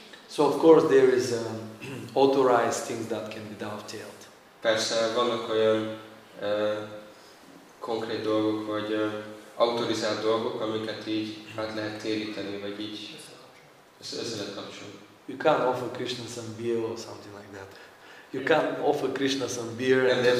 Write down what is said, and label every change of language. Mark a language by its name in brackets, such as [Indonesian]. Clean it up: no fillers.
[English] So of course there is authorized things that can be dovetailed. [Hungarian] Persze vannak olyan konkrét dolgok, vagy autorizált dolgok, amiket így hát lehet téríteni, vagy így össze lehet kapcsolni. [English] You can't offer Krishna some beer or something like that. You can't offer Krishna some beer and then